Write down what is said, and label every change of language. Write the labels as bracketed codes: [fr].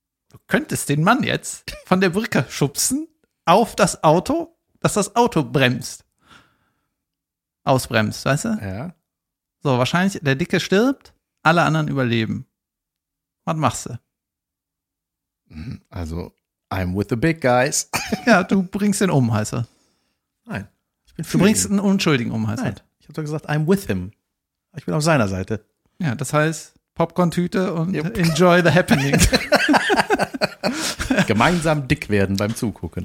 [de] Du könntest den Mann jetzt von der Brücke schubsen auf das Auto, dass das Auto bremst. Ausbremst, weißt du? Ja. So, wahrscheinlich, der Dicke stirbt, alle anderen überleben. Was machst du? [en] Also, I'm with the big guys. [de] Ja, du bringst ihn um, heißt er. Nein. Ich bin für du bringst ihn. Einen Unschuldigen um, heißt er. Nein, ich habe doch gesagt, [en] I'm with him. [de] Ich bin auf seiner Seite. Ja, das heißt, Popcorn-Tüte und yep. [en] Enjoy the happening. [de] Gemeinsam dick werden beim Zugucken.